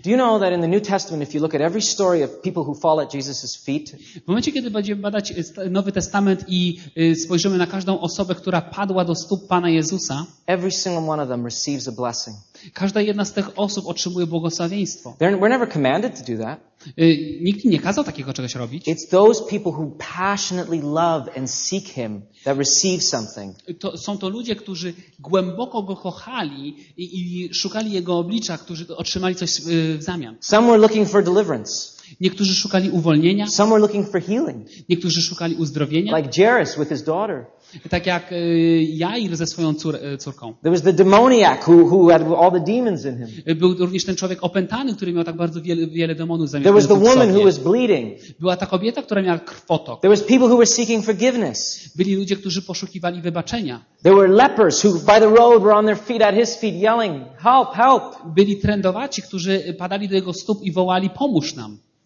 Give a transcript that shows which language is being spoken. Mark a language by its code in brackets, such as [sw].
[en] Do you know that in the New Testament if you look at every story of people who fall at Jesus's feet? [pl] W momencie kiedy będziemy badać Nowy Testament i spojrzymy na każdą osobę, która padła do stóp Pana Jezusa, [en] every single one of them receives a blessing. [pl] Każda jedna z tych osób otrzymuje błogosławieństwo. [en] We're never commanded to do that. [pl] Nikt nie kazał takiego czegoś robić. [en] It's those people who passionately love and seek him that receive something. [pl] To są to ludzie, którzy głęboko go kochali i szukali jego oblicza, którzy otrzymali coś w zamian. [en] Some were looking for deliverance. [pl] Niektórzy szukali uwolnienia. [en] Some were looking for healing. [pl] Niektórzy szukali uzdrowienia. [en] Like Jairus with his daughter. [pl] Tak jak Jair ze swoją córką. [en] There was the demoniac who had all the demons in him. [pl] Był również ten człowiek opętany, który miał tak bardzo wiele demonów zamieszanych. [en] There was the woman who was bleeding. [pl] Była ta kobieta, która miała krwotok. [en] There was people who were seeking forgiveness. [pl] Byli ludzie, którzy poszukiwali wybaczenia. [en] There were lepers who by the road were on their feet at his feet yelling, "Help, help!" [pl] Byli trędowaci, którzy padali do jego stóp i wołali: "Pomóż nam!"